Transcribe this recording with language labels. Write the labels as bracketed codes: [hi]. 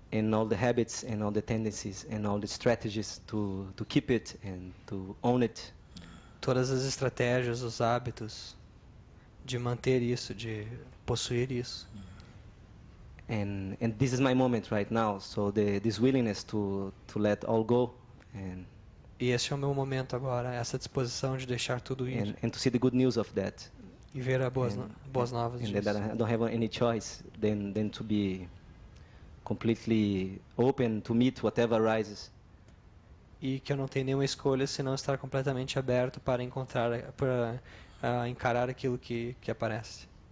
[en] And all the habits and all the tendencies and all the strategies to keep it and to own it. [pt] Todas as estratégias, os hábitos de manter isso, de possuir isso. [en] And this is my moment right now, so this willingness to let all go. And [pt] e esse é o meu momento agora, essa disposição de deixar tudo ir. [en] And to see the good news of that. [pt] E ver as boas novas [en] and [pt] disso. [en] That I don't have any choice than to be completely open to meet whatever arises. [pt] E que eu não tenho nenhuma escolha senão estar completamente aberto para encontrar, para encarar aquilo que aparece.